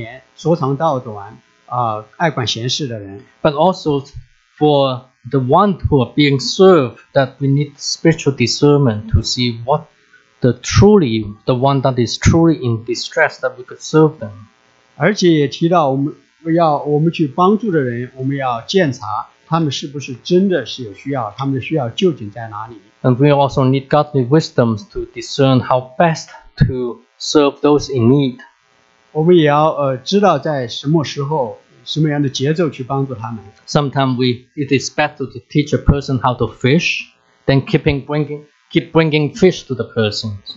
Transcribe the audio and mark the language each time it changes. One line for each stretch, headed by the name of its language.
Chinese: 所以在这里保罗不仅是教导我们自己在服事的时候要注意不成为传闲言所常道短爱管闲事的人,
English: but also for the one who are being served that we need spiritual discernment to see what the one that is truly in distress that we could serve them.
Chinese: 而且也提到我们要我们去帮助的人，我们要鉴察他们是不是真的是有需要，他们的需要究竟在哪里。
English: And we also need godly wisdom to discern how best to serve those in need.
Chinese: 我们也要知道在什么时候，什么样的节奏去帮助他们。
English: Sometimes it is better to teach a person how to fish than keep bringing fish to the person.